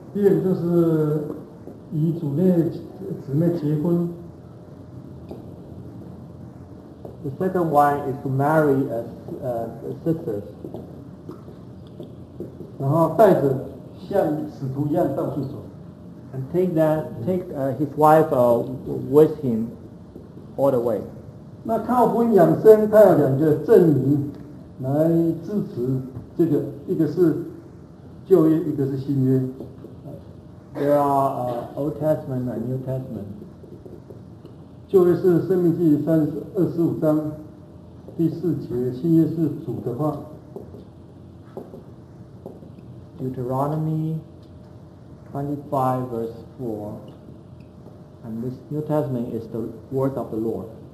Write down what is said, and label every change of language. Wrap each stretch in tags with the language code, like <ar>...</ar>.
<zh>第二就是与主内姊妹结婚。</zh> <en>The second one is to marry a sisters.</en> <zh>然后带着像使徒一样到处走。</zh> <en>And take that, take his wife with him all the way.</en> <zh>那靠婚养生，他有两个证明来支持这个，一个是旧约，一个是新约。</zh> <en>There are Old Testament and New Testament.</en> <zh>旧约是《生命记》25章第四节，新约是主的话。</zh> <en>Deuteronomy 25 verse 4, and this New Testament is the word of the Lord.</en>